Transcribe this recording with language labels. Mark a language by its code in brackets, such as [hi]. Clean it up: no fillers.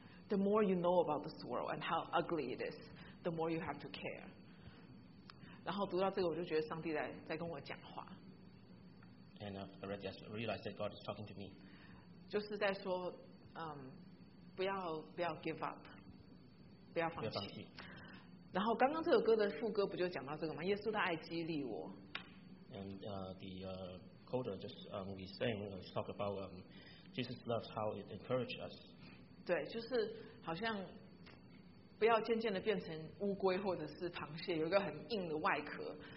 [en] the more you know about this world and how ugly it is, the more you have to care. [zh] 然后读到这个，我就觉得上帝在跟我讲话。 [en] And I read this, realized that God is talking to me. [zh] 就是在说，不要 [en] give up, [zh] 不要放弃。不要放弃。然后刚刚这首歌的副歌不就讲到这个吗？耶稣的爱激励我。 [en] And the coda just we sang talk about Jesus' love, how it encouraged us. [zh] 对，就是好像不要渐渐的变成乌龟或者是螃蟹，有一个很硬的外壳。